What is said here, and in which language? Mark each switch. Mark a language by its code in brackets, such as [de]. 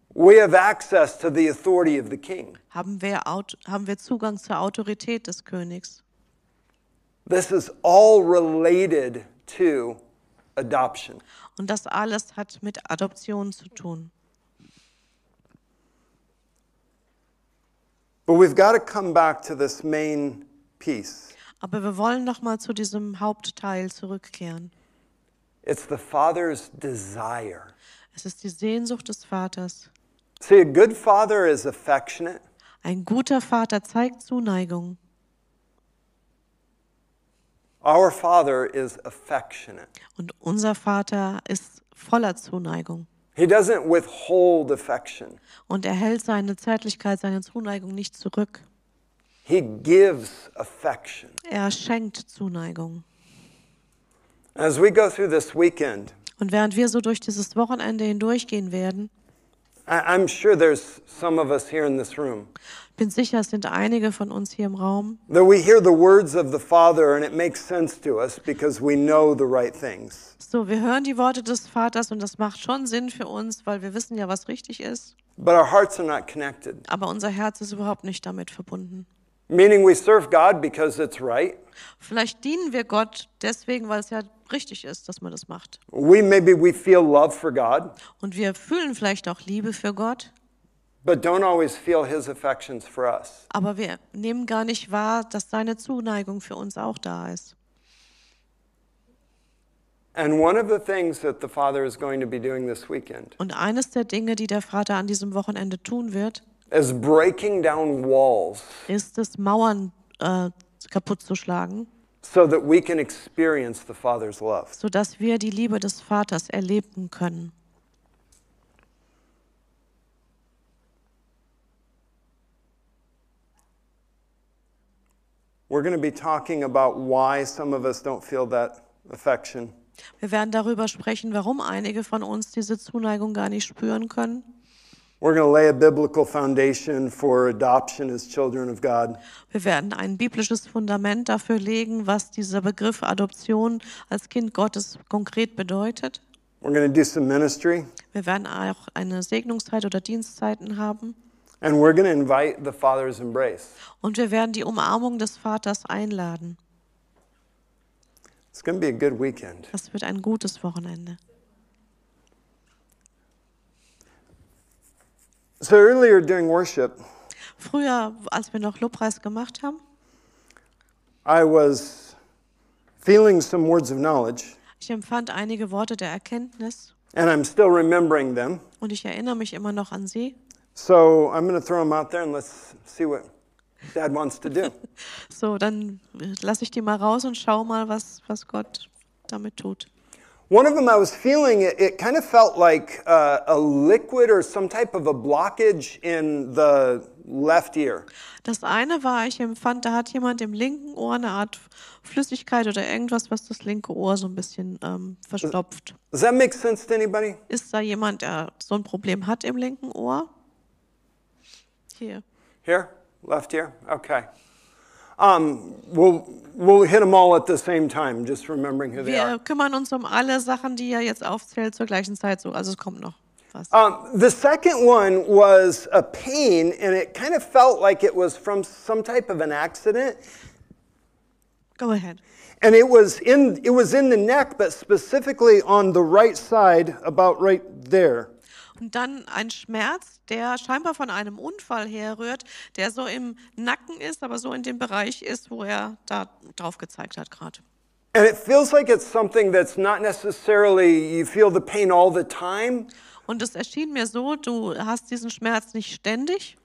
[en] we have access to the authority of the King. [de] Haben wir Zugang zur Autorität des Königs. [en] This is all related to adoption. [de] Und das alles hat mit Adoption zu tun. [en] But we've got to come back to this main piece. [de] Aber wir wollen noch mal zu diesem Hauptteil zurückkehren. [en] It's the Father's desire. [de] Es ist die Sehnsucht des Vaters. [en] See, a good father is affectionate. [de] Ein guter Vater zeigt Zuneigung. [en] Our Father is affectionate. [de] Und unser Vater ist voller Zuneigung. [en] He doesn't withhold affection. [de] Und er hält seine Zärtlichkeit, seine Zuneigung nicht zurück. [en] He gives affection. [de] Er schenkt Zuneigung. [en] As we go through this weekend. [de] Und während wir so durch dieses Wochenende hindurchgehen werden. [en] I'm sure there's some of us here in this room. [de] Bin sicher, es sind einige von uns hier im Raum. [en] That we hear the words of the Father and it makes sense to us because we know the right things. [de] So, wir hören die Worte des Vaters und das macht schon Sinn für uns, weil wir wissen ja, was richtig ist. [en] But our hearts are not connected. [de] Aber unser Herz ist überhaupt nicht damit verbunden. [en] Meaning we serve God because it's right. [de] Vielleicht dienen wir Gott deswegen, weil es ja richtig ist, dass man das macht. [en] We, maybe we feel love for God. [de] Und wir fühlen vielleicht auch Liebe für Gott. [en] But don't always feel his affections for us. [de] Aber wir nehmen gar nicht wahr, dass seine Zuneigung für uns auch da ist. [en] And one of the things that the Father is going to be doing this weekend. [de] Und eines der Dinge, die der Vater an diesem Wochenende tun wird, [en] is breaking down walls. [de] Ist es Mauern kaputt zu schlagen. [en] So that we can experience the Father's love. [de] So dass wir die Liebe des Vaters erleben können. [en] We're going to be talking about why some of us don't feel that affection. [de] Wir werden darüber sprechen, warum einige von uns diese Zuneigung gar nicht spüren können. [en] We're going to lay a biblical foundation for adoption as children of God. [de] Wir werden ein biblisches Fundament dafür legen, was dieser Begriff Adoption als Kind Gottes konkret bedeutet. [en] We're going to do some ministry. [de] Wir werden auch eine Segnungszeit oder Dienstzeiten haben. [en] And we're going to invite the Father's embrace. [de] Und wir werden die Umarmung des Vaters einladen. [en] It's going to be a good weekend. [de] Das wird ein gutes Wochenende. [en] So earlier during worship, [de] früher, als wir noch Lobpreis gemacht haben, [en] I was feeling some words of knowledge. [de] Ich empfand einige Worte der Erkenntnis. [en] And I'm still remembering them. [de] Und ich erinnere mich immer noch an sie. [en] So I'm going to throw them out there and let's see what Dad wants to do. [de] So, dann lasse ich die mal raus und schau mal, was Gott damit tut. [en] One of them I was feeling, it kind of felt like a liquid or some type of a blockage in the left ear. [de] Das eine war, ich empfand, da hat jemand im linken Ohr eine Art Flüssigkeit oder irgendwas, was das linke Ohr so ein bisschen verstopft. [en] Does that make sense to anybody? [de] Ist da jemand, der so ein Problem hat im linken Ohr? Hier. [en] Here? Left ear? Okay. We'll hit them all at the same time, just remembering who [de] wir [en] they are. [de] Wir kümmern uns um alle Sachen, die er jetzt aufzählt, zur gleichen Zeit. So, also es kommt noch was. [en] The second one was a pain, and it kind of felt like it was from some type of an accident. Go ahead. And it was in the neck, but specifically on the right side, about right there. [de] Und dann ein Schmerz, der scheinbar von einem Unfall herrührt, der so im Nacken ist, aber so in dem Bereich ist, wo er da drauf gezeigt hat gerade. [en] And it feels like it's something that's not necessarily, you feel the pain all the time. [de] Und es erschien mir so, du hast diesen Schmerz nicht ständig.